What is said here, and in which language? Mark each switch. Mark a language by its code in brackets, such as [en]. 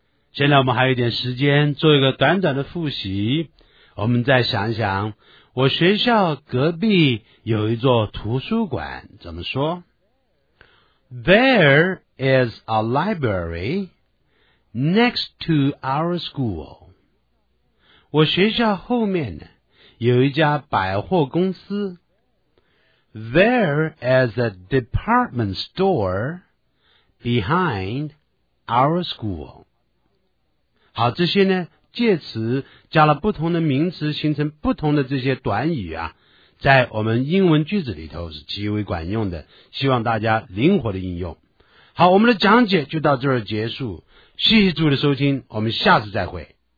[zh] 现在我们还有一点时间做一个短短的复习。我们再想一想，我学校隔壁有一座图书馆，怎么说？ [en] There is a library next to our school. [zh] 我学校后面呢，有一家百货公司。 [en] There is a department store behind our school. [zh] 好，这些呢介词加了不同的名词形成不同的这些短语啊，在我们英文句子里头是极为管用的，希望大家灵活的应用。好，我们的讲解就到这儿结束，谢谢诸位的收听，我们下次再会。